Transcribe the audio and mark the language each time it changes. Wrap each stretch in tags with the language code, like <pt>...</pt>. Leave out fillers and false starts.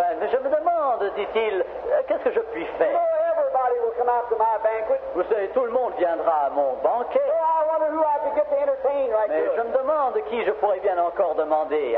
<fr>Je me demande, dit-il, qu'est-ce que je puis faire?</fr> <en>You know, everybody will come out to my banquet.</en> <fr>Vous savez, tout le monde viendra à mon banquet.</fr> <en>So I wonder who I could get to entertain right</en> <fr>Mais</fr> <en>here.</en> <fr>Je me demande qui je pourrais bien encore demander.</fr>